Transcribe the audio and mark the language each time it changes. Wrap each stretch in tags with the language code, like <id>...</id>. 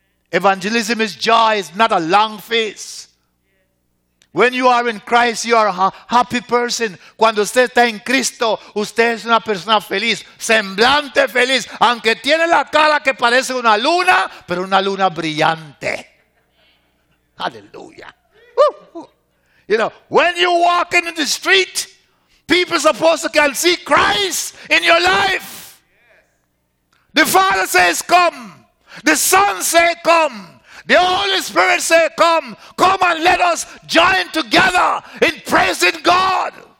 <en>Evangelism is joy. It's not a long face. When you are in Christ, you are a happy person.</en> <es>Cuando usted está en Cristo, usted es una persona feliz, semblante feliz, aunque tiene la cara que parece una luna, pero una luna brillante.</es> <en>Hallelujah. You know, when you walk in the street, people supposed to can see Christ in your life. The Father says, come. The Son say, come. The Holy Spirit say, come. Come and let us join together in praising God.</en>